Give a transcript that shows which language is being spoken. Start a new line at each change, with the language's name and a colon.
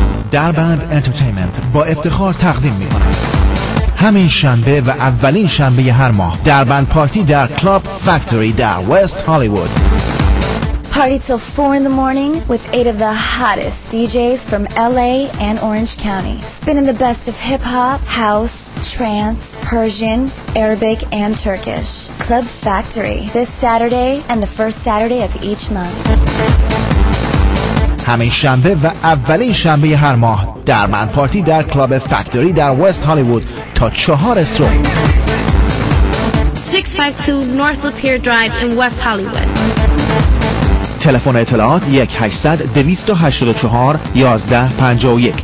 Persian: دربند انترتینمنت با افتخار تقدیم میکنه. همین شنبه و اولین شنبه هر ماه دربند پارتی در کلاب فکتوری در وست هالیوود.
English: Party till 4 in the morning with 8 of the hottest DJs from LA and Orange County. Spinning the best of hip hop, house, trance, Persian, Arabic and Turkish. Club Factory this Saturday and the first Saturday of each month.
Persian: همین شنبه و اولین شنبه هر ماه در من پارتی در کلاب فکتوری در وست هالیوود تا 4 صبح.
English: 652 North Lapeer Drive in West Hollywood.
Persian: تلفن اطلاعات 1-800-284-1151.